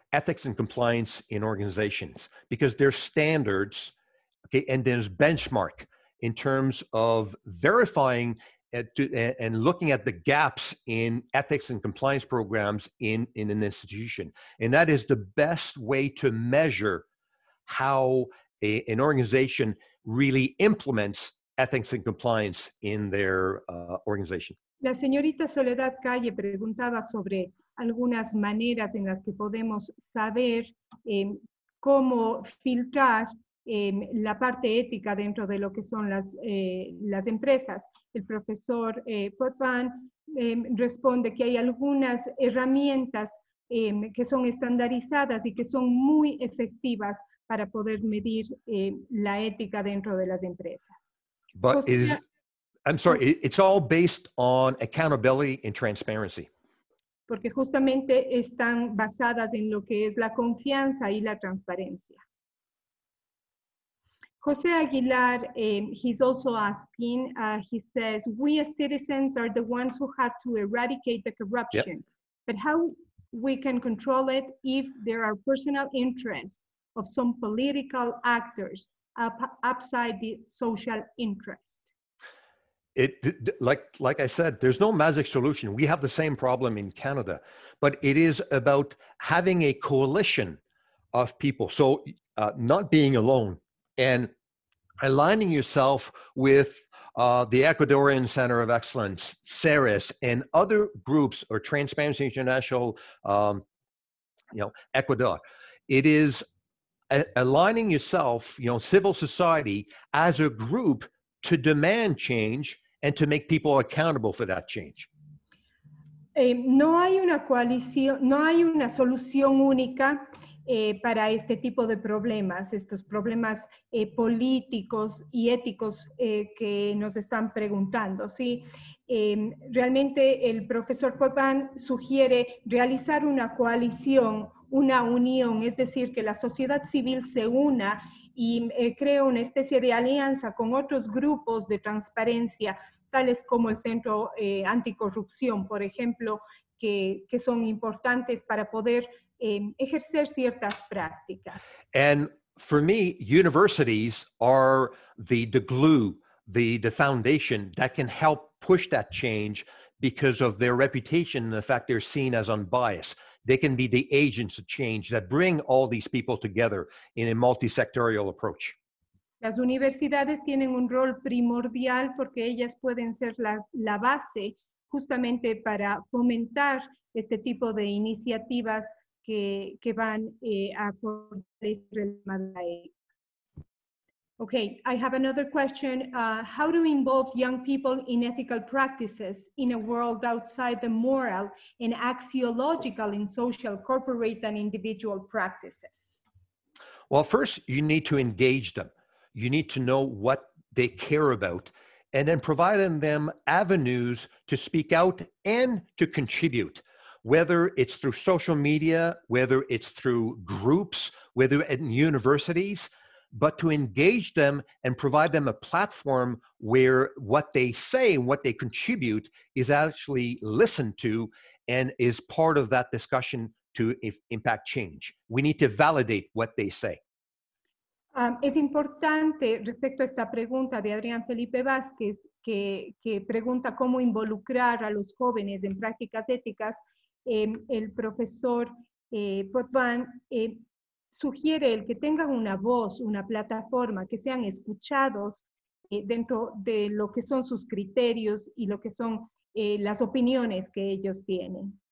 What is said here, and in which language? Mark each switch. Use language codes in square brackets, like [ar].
[en] ethics and compliance in organizations, because there's standards, okay, and there's benchmark in terms of verifying and looking at the gaps in ethics and compliance programs in an institution. And that is the best way to measure how an organization really implements ethics and compliance in their organization. [es] La señorita Soledad Calle preguntaba sobre algunas maneras en las que podemos saber cómo filtrar la parte ética dentro de lo que son las empresas. El profesor Potvin responde que hay algunas herramientas que son estandarizadas y que son muy efectivas para poder medir la ética dentro de las empresas. [en] But it's all based on accountability and transparency. [es] Porque justamente están basadas en lo que es la confianza y la transparencia. [en] José Aguilar, he's also asking, he says, we as citizens are the ones who have to eradicate the corruption, yep. But how we can control it if there are personal interests of some political actors outside the social interest? Like I said, there's no magic solution. We have the same problem in Canada, but it is about having a coalition of people. So not being alone and aligning yourself with the Ecuadorian Center of Excellence, CERES, and other groups, or Transparency International, Ecuador. It is aligning yourself, civil society as a group to demand change and to make people accountable for that change. [es] No hay una coalición, no hay una solución única para este tipo de problemas, estos problemas políticos y éticos que nos están preguntando, ¿sí? Realmente el profesor Potvin sugiere realizar una coalición, una unión, es decir, que la sociedad civil se una y crea una especie de alianza con otros grupos de transparencia, tales como el Centro Anticorrupción, por ejemplo, que son importantes para poder ejercer ciertas prácticas. [en] And for me, universities are the glue, the foundation that can help push that change because of their reputation and the fact they're seen as unbiased. They can be the agents of change that bring all these people together in a multi-sectorial approach. [es] Las universidades tienen un rol primordial porque ellas pueden ser la base justamente para fomentar este tipo de iniciativas que van a fortalecer el mandato. [en] Okay, I have another question. How to involve young people in ethical practices in a world outside the moral and axiological in social, corporate, and individual practices? Well, first, you need to engage them. You need to know what they care about, and then providing them avenues to speak out and to contribute, whether it's through social media, whether it's through groups, whether at universities, but to engage them and provide them a platform where what they say and what they contribute is actually listened to and is part of that discussion to impact change. We need to validate what they say. [es] Es importante respecto a esta pregunta de Adrián Felipe Vázquez, que pregunta cómo involucrar a los jóvenes en prácticas éticas. El profesor Potvin sugiere el que tengan una voz, una plataforma, que sean escuchados dentro de lo que son sus criterios y lo que son las opiniones que ellos tienen.